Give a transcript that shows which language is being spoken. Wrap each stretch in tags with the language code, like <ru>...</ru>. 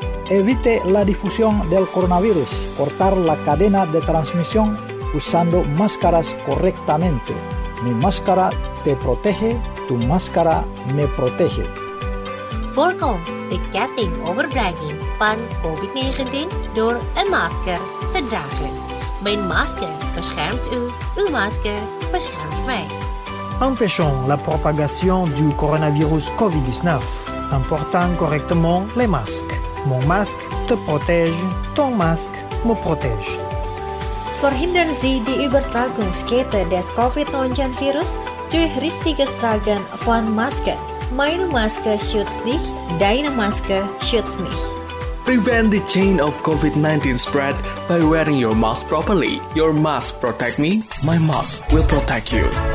<es>Evite la difusión del coronavirus. Cortar la cadena de transmisión usando máscaras correctamente. Mi máscara te protege, tu máscara me protege. Forco, the getting over bragging van COVID-19 door een masker te dragen.</es> <nl>Mijn masker beschermt u, uw masker beschermt mij.</nl> <fr>Empêchons la propagation du coronavirus COVID-19 en portant correctement les masques. Mon masque te protège, ton masque me protège.</fr> <de>Verhindern Sie die Übertragungskette des COVID-19 Virus durch richtiges Tragen von Maske. Meine Maske schützt dich, deine Maske schützt mich.</de> <en>Prevent the chain of COVID-19 spread by wearing your mask properly. Your mask protect me, my mask will protect you.</en>